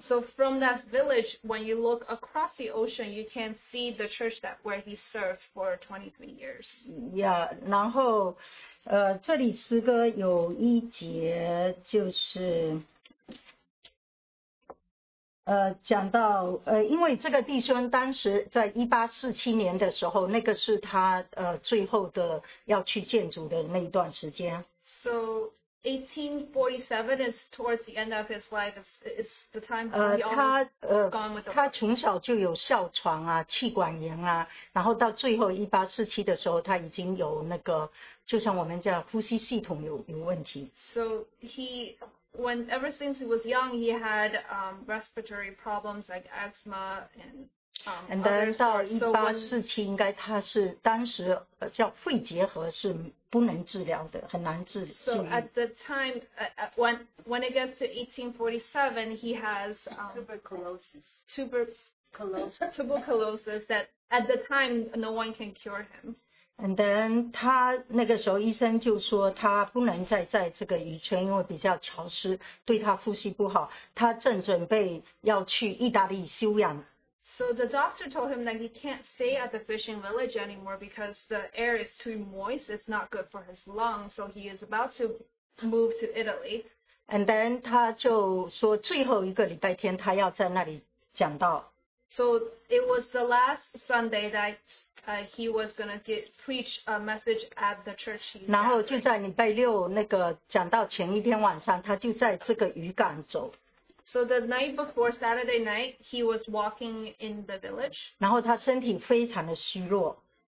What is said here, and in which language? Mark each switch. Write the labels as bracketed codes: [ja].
[en] So from that village, when you look across the ocean, you can see the church that where he served for 23 years. [zh] Yeah, 然后, 这里诗歌有一节就是 讲到，因为这个弟兄当时在1847年的时候， 那个是他最后的要去建筑的那一段时间。 [en] So 1847 is towards the end of his life. It's the time he almost gone with the Lord. [zh] 他从小就有哮喘啊，气管炎啊， 然后到最后1847的时候， 他已经有那个， 就像我们讲呼吸系统有问题。 [en] So he... When ever since he was young, he had respiratory problems like asthma and others. And then [zh] 到1847，应该他是当时叫肺结核，是不能治疗的，很难治愈。 [en] So at the time, when it gets to 1847, he has tuberculosis that at the time no one can cure him. And then [zh] 他那个时候医生就说他不能再在这个渔村，因为比较潮湿， 对他呼吸不好， 他正准备要去意大利休养。 [en] So the doctor told him that he can't stay at the fishing village anymore because the air is too moist, it's not good for his lungs, so he is about to move to Italy. And then [zh] 他就说最后一个礼拜天他要在那里讲道。 [en] So it was the last Sunday that he was going to preach a message at the church. [zh] 然后就在礼拜六那个讲道前一天晚上，他就在这个渔港走。 [en] So the night before Saturday night, he was walking in the village. [zh] 然后他身体非常的虚弱。